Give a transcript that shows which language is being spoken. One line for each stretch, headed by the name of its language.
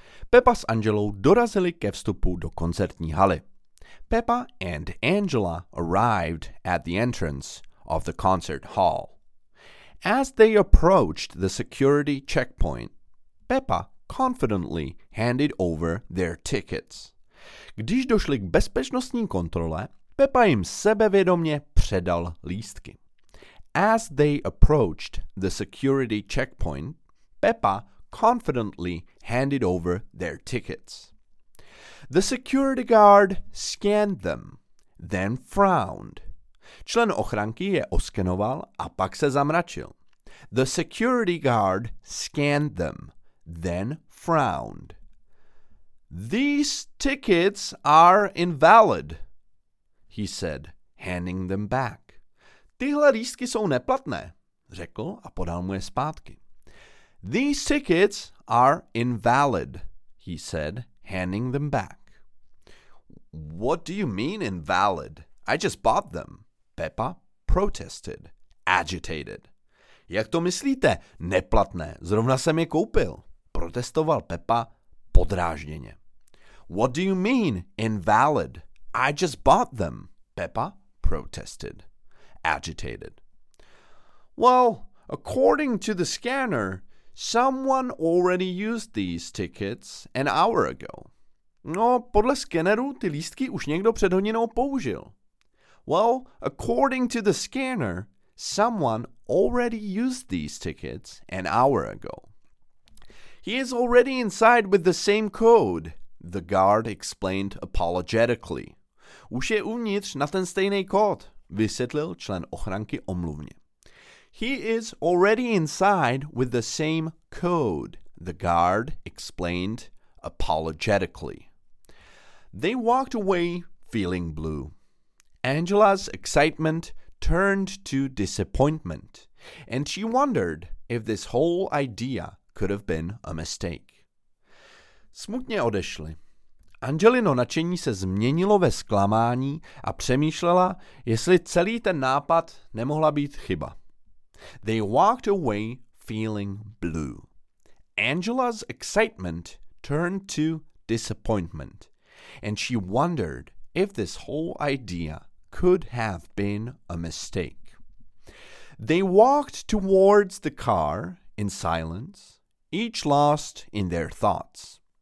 Czech: Peppa s Angelou dorazili ke vstupu do koncertní haly.
English: Peppa and Angela arrived at the entrance of the concert hall. As they approached the security checkpoint, Peppa confidently handed over their tickets.
Czech: Když došli k bezpečnostní kontrole, Peppa jim sebevědomě předal lístky.
English: As they approached the security checkpoint, Peppa confidently handed over their tickets. The security guard scanned them, then frowned.
Czech: Člen ochranky je oskenoval a pak se zamračil.
English: The security guard scanned them, then frowned. These tickets are invalid, he said, handing them back.
Czech: Tyhle lístky jsou neplatné, řekl a podal mu je zpátky.
English: These tickets are invalid, he said, handing them back. What do you mean invalid? I just bought them. Peppa protested, agitated.
Czech: Jak to myslíte, neplatné? Zrovna jsem je koupil. Protestoval Peppa podrážděně.
English: What do you mean, invalid? I just bought them. Peppa protested, agitated. Well, according to the scanner, someone already used these tickets an hour ago.
Czech: No, podle skeneru ty lístky už někdo před hodinou použil.
English: Well, according to the scanner, someone already used these tickets an hour ago. He is already inside with the same code, the guard explained apologetically.
Czech: Už je uvnitř na ten stejný kód, vysvětlil člen ochranky omluvně.
English: He is already inside with the same code, the guard explained apologetically. They walked away feeling blue. Angela's excitement turned to disappointment, and she wondered if this whole idea could have been a mistake.
Czech: Smutně odešli. Angelino nadšení se změnilo ve zklamání a přemýšlela, jestli celý ten nápad nemohla být chyba.
English: They walked away feeling blue. Angela's excitement turned to disappointment, and she wondered if this whole idea could have been a mistake. They walked towards the car in silence, each lost in their thoughts.